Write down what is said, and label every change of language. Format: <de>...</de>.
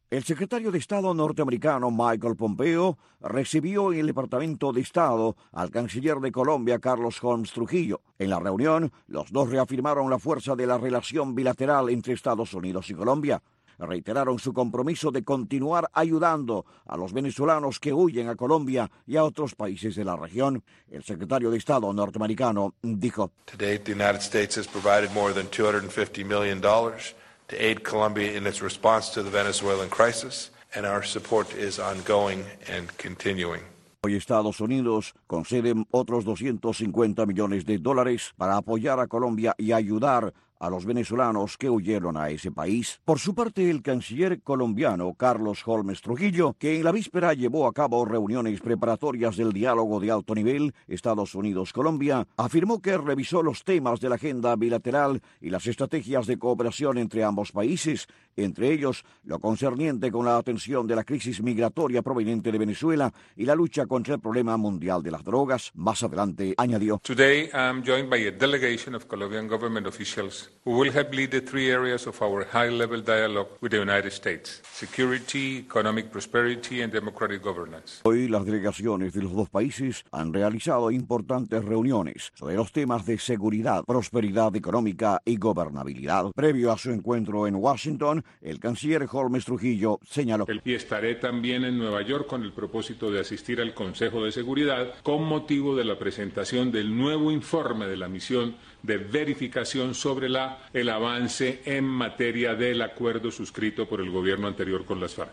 <es>El secretario de Estado norteamericano Michael Pompeo recibió en el Departamento de Estado al canciller de Colombia Carlos Holmes Trujillo. En la reunión, los dos reafirmaron la fuerza de la relación bilateral entre Estados Unidos y Colombia. Reiteraron su compromiso de continuar ayudando a los venezolanos que huyen a Colombia y a otros países de la región. El secretario de Estado norteamericano dijo:</es> <en>Today, the United States has provided more than $250 million to aid Colombia in its response to the Venezuelan crisis, and our support is ongoing and continuing.</en> <es>Hoy Estados Unidos concede otros 250 millones de dólares para apoyar a Colombia y ayudar a los venezolanos que huyeron a ese país. Por su parte, el canciller colombiano Carlos Holmes Trujillo, que en la víspera llevó a cabo reuniones preparatorias del diálogo de alto nivel Estados Unidos-Colombia, afirmó que revisó los temas de la agenda bilateral y las estrategias de cooperación entre ambos países, entre ellos lo concerniente con la atención de la crisis migratoria proveniente de Venezuela y la lucha contra el problema mundial de las drogas. Más adelante, añadió:</es> <en>Today I'm joined by a delegation of Colombian government officials who will help lead the 3 areas of our high-level dialogue with the United States: security, economic prosperity, and democratic governance.</en> <es>Hoy las delegaciones de los dos países han realizado importantes reuniones sobre los temas de seguridad, prosperidad económica y gobernabilidad. Previo a su encuentro en Washington, el canciller Holmes Trujillo señaló: Y estaré también en Nueva York con el propósito de asistir al Consejo de Seguridad con motivo de la presentación del nuevo informe de la misión de verificación sobre el avance en materia del acuerdo suscrito por el gobierno anterior con las FARC.</es>